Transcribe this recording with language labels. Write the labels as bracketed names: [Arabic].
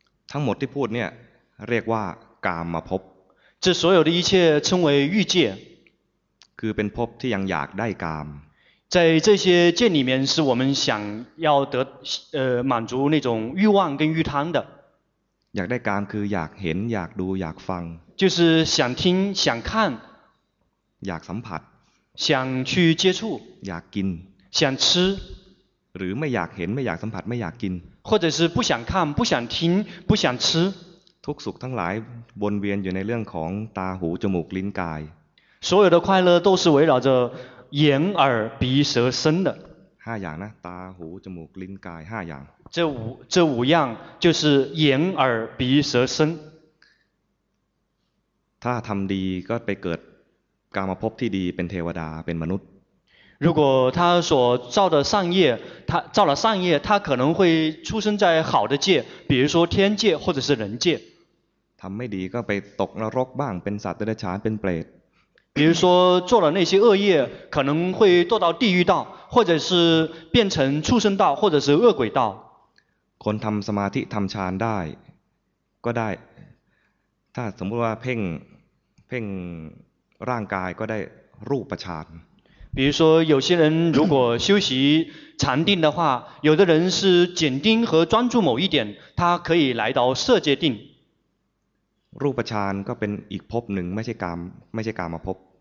[Thai] ทั้งหมดที่พูดเนี่ยเรียกว่ากามภพ [Chinese] 这所有的一切称为欲界 [Thai] คือเป็นภพที่ยังอยากได้กาม [Chinese] 在这些界里面是我们想要得满足那种欲望跟欲贪的 [Thai] อยากได้กามคืออยากเห็นอยากดูอยากฟัง [Chinese] 就是想听想看 [Thai] อยากสัมผัส [Chinese] 想去接触อ [Thai] ยากกิน [Chinese] 想吃 [Thai] หรือไม่อยากเห็นไม่อยากสัมผัสไม่อยากกิน [Chinese] 或者是不想看不想听不想吃 [Thai] ทุกสุขทั้งหลายวนเวียนอยู่ในเรื่องของตาหูจมูกลิ้นกาย [Chinese] 所有的快乐都是围绕着眼耳鼻舌身的 [Thai] 5อย่างนะตาหูจมูกลิ้นกาย5อย่าง [Chinese] 这五样就是眼耳鼻舌身 [Thai] ถ้าทำดีก็ไปเกิดกามภพที่ดีเป็นเทวดาเป็นมนุษย์ [Chinese] 如果他所造的善业他造了善业他可能会出生在好的界比如说天界或者是人界 [Thai] ทำไม่ดีก็ไปตกนรกบ้างเป็นสัตว์เดรัจฉานเป็นเปรต [Chinese] 比如说做了那些恶业可能会堕到地狱道或者是变成畜生道或者是恶鬼道 [Thai] คนทำสมาธิทำฌานได้ก็ได้ถ้าสมมติว่าเพ่งร่างกายก็ได้รูปฌาน [Chinese] 比如说有些人如果修习禅定的话有的人是紧盯和专注某一点他可以来到色界定 [Thai] รูปฌานก็เป็นอีกภพหนึ่งไม่ใช่กามภพ